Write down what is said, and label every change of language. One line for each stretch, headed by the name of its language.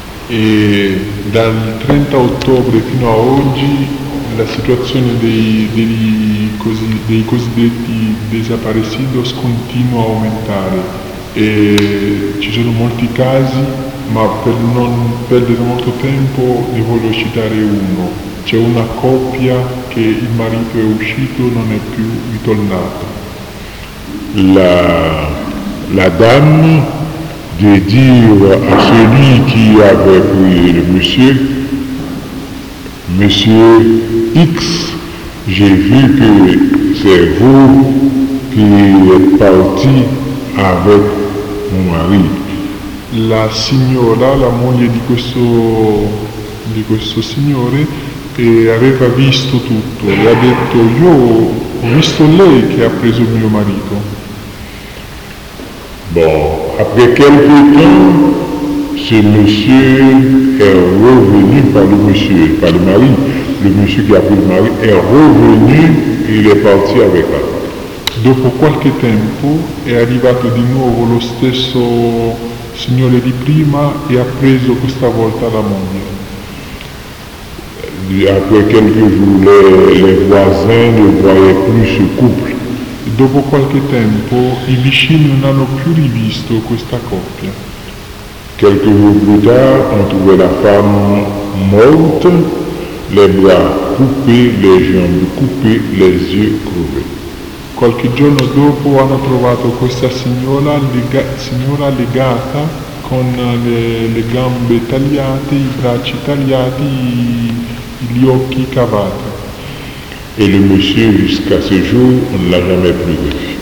French: Et dans le 30 octobre
Italian: fino à oggi, la situazione dei cosiddetti desaparecidos continua a aumentare e ci sono molti casi, ma per non perdere molto tempo ne voglio citare uno. C'è una coppia che il marito è uscito, non è più ritornato.
French: La dame de dire a celui qui avait pris le monsieur: Monsieur X, j'ai vu que c'est vous qui êtes parti avec mon mari.
Italian: La signora, la moglie di questo signore, aveva visto tutto e ha detto: io ho visto lei che ha preso mio marito.
French: Bon, après quelque temps, ce monsieur est revenu, pas le monsieur, pas le mari, le monsieur qui a pris le mari est revenu et il est parti avec la femme.
Italian: Dopo qualche tempo è arrivato di nuovo lo stesso signore di prima e ha preso questa volta la moglie.
French: Après quelques jours, les voisins ne voyaient plus ce couple.
Italian: Dopo qualche tempo, i vicini non hanno più rivisto questa coppia.
French: Quelques jours plus tard, on trouvait la femme morte, les bras coupés, les jambes coupées, les yeux crevés.
Italian: Qualche giorno dopo hanno trovato questa signora, signora legata con le gambe tagliate, i bracci tagliati, gli occhi cavati.
French: E le monsieur jusqu'à ce jour
Italian: non l'ha
French: jamais
Italian: più visto.